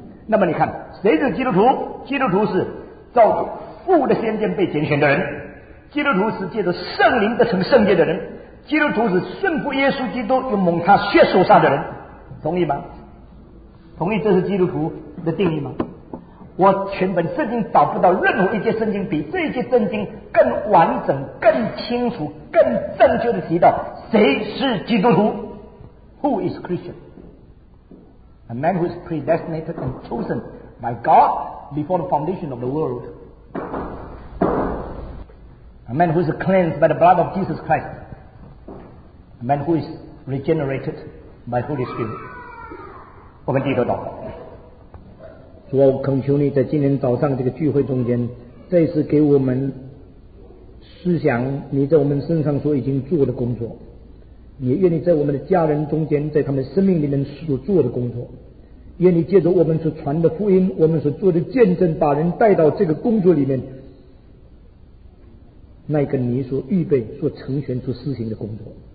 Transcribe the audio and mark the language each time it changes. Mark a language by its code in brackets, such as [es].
[zh] 那么你看，谁是基督徒？基督徒是照顾父的先见被拣选的人，基督徒是借着圣灵得成圣洁的人，基督徒是顺服耶稣基督又蒙他血所杀的人。同意吗？同意这是基督徒的定义吗？我全本圣经找不到任何一节圣经比这一节圣经更完整更清楚更正确的提到谁是基督徒。 [en] Who is Christian? A man who is predestinated and chosen by God before the foundation of the world. A man who is cleansed by the blood of Jesus Christ. A man who is regenerated by Holy Spirit. [zh] 我们低头祷告。主啊，我恳求你在今天早上这个聚会中间再次给我们思想你在我们身上所已经做的工作，也愿你在我们的家人中间在他们生命里面所做的工作，愿你借着我们所传的福音我们所做的见证把人带到这个工作里面，那个你所预备所成全所施行的工作。